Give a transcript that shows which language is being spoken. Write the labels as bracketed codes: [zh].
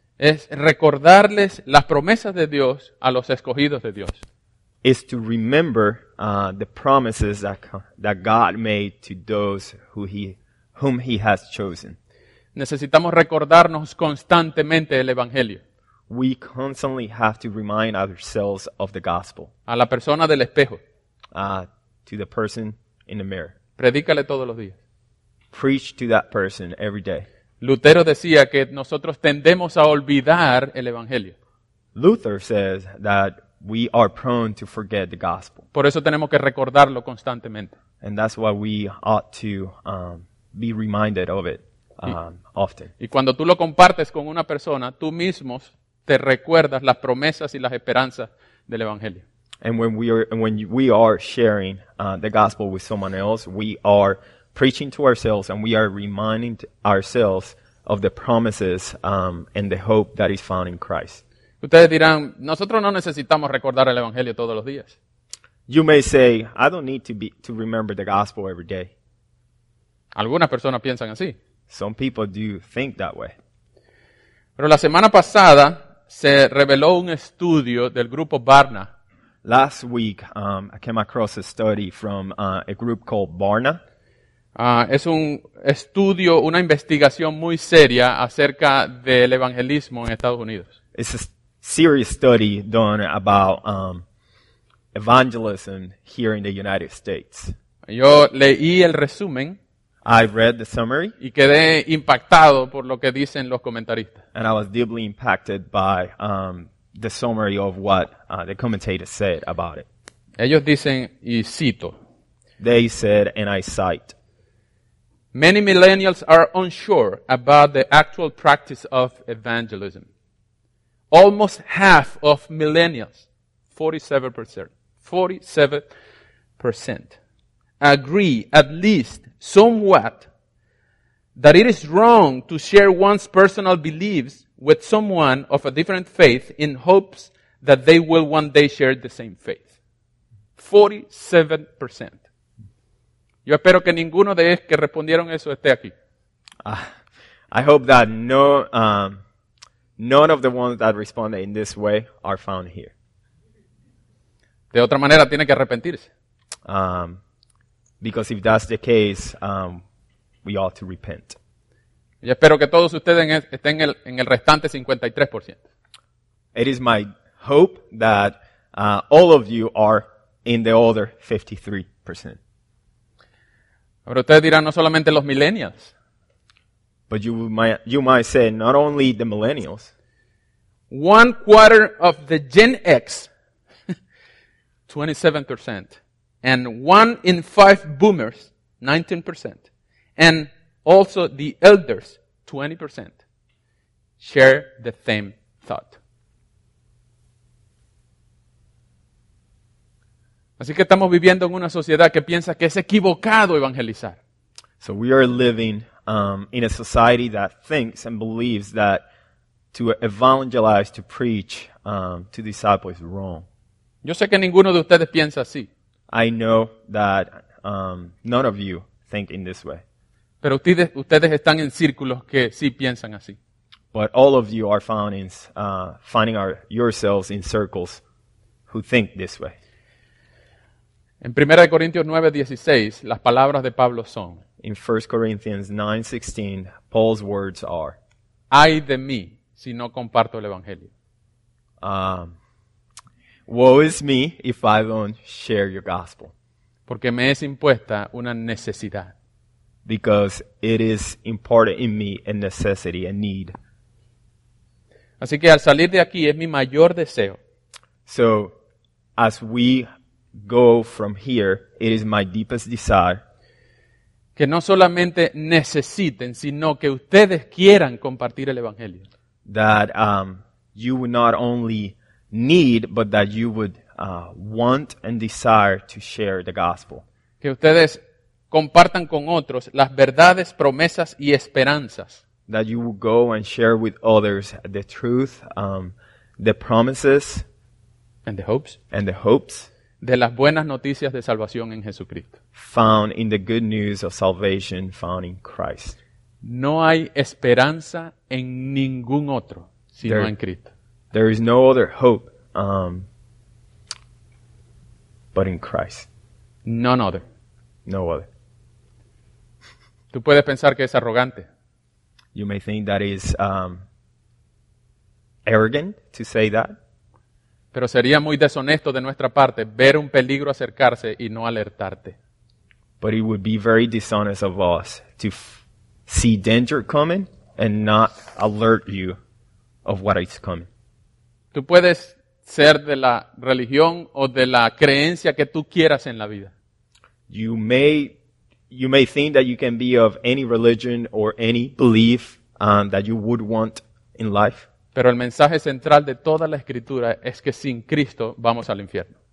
[es] Es recordarles las promesas de Dios a los escogidos de Dios. [en] Is to remember the promises that God made to those whom he has chosen. [es] Necesitamos recordarnos constantemente el evangelio. [en] We constantly have to remind ourselves of the gospel. [es] A la persona del espejo. [en] To the person in the mirror. [es] Predícale todos los días. [en] Preach to that person every day. [es] Lutero decía que nosotros tendemos a olvidar el evangelio. [en] Luther says that we are prone to forget the gospel. [es] Por eso tenemos que recordarlo constantemente. [en] And that's why we ought to be reminded of it often. [es] Y cuando tú lo compartes con una persona, tú mismo te recuerdas las promesas y las esperanzas del evangelio. [en] And when we are sharing the gospel with someone else, we are preaching to ourselves and we are reminding ourselves of the promises and the hope that is found in Christ. [es] Ustedes dirán, nosotros no necesitamos recordar el evangelio todos los días. [en] You may say, I don't need to remember the gospel every day. [es] Algunas personas piensan así. [en] Some people do think that way. [es] Pero la semana pasada se reveló un estudio del grupo Barna. [en] Last week, I came across a study from a group called Barna. [es] Es un estudio, una investigación muy seria acerca del evangelismo en Estados Unidos. [en] It's a serious study done about evangelism here in the United States. [es] Yo leí el resumen. [en] I read the summary. [es] Y quedé impactado por lo que dicen los comentaristas. [en] And I was deeply impacted by the summary of what the commentators said about it. [es] Ellos dicen, y cito. [en] They said, and I cite. Many millennials are unsure about the actual practice of evangelism. Almost half of millennials 47%. 47% agree at least somewhat that it is wrong to share one's personal beliefs with someone of a different faith in hopes that they will one day share the same faith. 47%. [es] Yo espero que ninguno de ellos que respondieron eso esté aquí. [en] I hope that none of the ones that responded in this way are found here. [es] De otra manera, tiene que arrepentirse. [en] Because if that's the case, we ought to repent. [es] Y espero que todos ustedes estén en el restante 53%. [en] It is my hope that all of you are in the other 53%. [es] Pero ustedes dirán, no solamente los millennials. [en] But you might say, not only the millennials. One quarter of the Gen X, 27%. And one in five boomers, 19%. And also the elders, 20%. Share the same thought. [es] Así que estamos viviendo en una sociedad que piensa que es equivocado evangelizar. [en] So we are living in a society that thinks and believes that to evangelize, to preach, to disciple is wrong. [es] Yo sé que ninguno de ustedes piensa así. [en] I know that none of you think in this way. [es] Pero ustedes están en círculos que sí piensan así. [en] But all of you are found in finding yourselves in circles who think this way. [es] En 1 Corintios 9:16, las palabras de Pablo son. [en] In 1 Corinthians 9:16, Paul's words are. [es] Ay de mí si no comparto el evangelio. [en] Woe is me if I don't share your gospel. [es] Porque me es impuesta una necesidad. [en] Because it is imparted in me a necessity, a need. [es] Así que al salir de aquí es mi mayor deseo. [en] So, as we go from here, it is my deepest desire. [es] Que no solamente necesiten, sino que ustedes quieran compartir el evangelio. [en] That you would not only need, but that you would want and desire to share the gospel. [es] Que ustedes compartan con otros las verdades, promesas y esperanzas. [en] That you would go and share with others the truth, the promises, and the hopes. And the hopes. [es] De las buenas noticias de salvación en Jesucristo. [en] Found in the good news of salvation found in Christ. [es] No hay esperanza en ningún otro sino en Cristo. [en] There is no other hope but in Christ. None other. No other. [es] Tú puedes pensar que es arrogante. [en] You may think that is arrogant to say that. [es] Pero sería muy deshonesto de nuestra parte ver un peligro acercarse y no alertarte. [en] But it would be very dishonest of us to see danger coming and not alert you of what is coming. [es] Tú puedes ser de la religión o de la creencia que tú quieras en la vida. [en] You may think that you can be of any religion or any belief that you would want in life. [es] Pero el mensaje central de toda la escritura es que sin Cristo vamos al infierno.